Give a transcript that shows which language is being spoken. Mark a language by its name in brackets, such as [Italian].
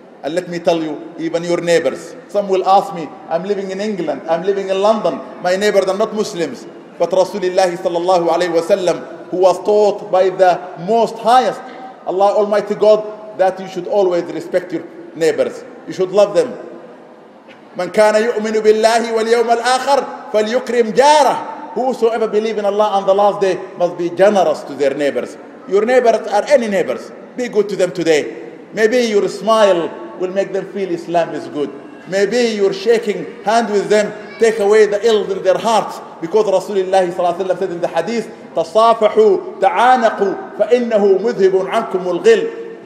[English] And let me tell you, even your neighbors. Some will ask me, I'm living in England, I'm living in London, my neighbors are not Muslims. But Rasulullah sallallahu alayhi wa sallam, who was taught by the most highest, Allah Almighty God, that you should always respect your neighbors. You should love them. [Arabic] من كان يؤمن بالله واليوم الآخر فليكرم جاره. [English] Whosoever believe in Allah on the last day must be generous to their neighbors. Your neighbors are any neighbors. Be good to them today. Maybe your smile will make them feel Islam is good. Maybe your shaking hand with them take away the ills in their hearts. Because Rasulullah said in the hadith, [Arabic] تصافحوا تعانقوا فإنه مذهب عنكم الغل.